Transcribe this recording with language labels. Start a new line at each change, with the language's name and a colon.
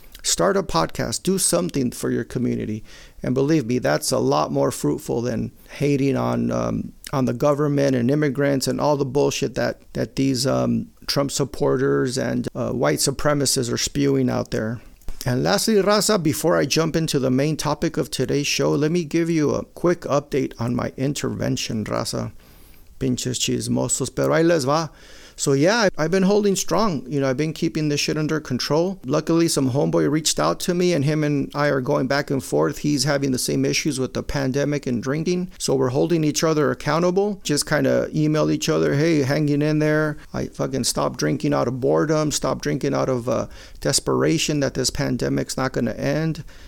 English: Start a podcast. Do something for your community. And believe me, that's a lot more fruitful than hating on the government and immigrants and all the bullshit that these Trump supporters and white supremacists are spewing out there. And lastly, Raza, before I jump into the main topic of today's show, let me give you a quick update on my intervention, Raza.
Spanish: Pinches chismosos, pero ahí les va.
English: So yeah, I've been holding strong. You know, I've been keeping this shit under control. Luckily, some homeboy reached out to me and him and I are going back and forth. He's having the same issues with the pandemic and drinking. So we're holding each other accountable. Just kind of email each other, hey, hanging in there. I fucking stopped drinking out of boredom, stopped drinking out of desperation that this pandemic's not going to end.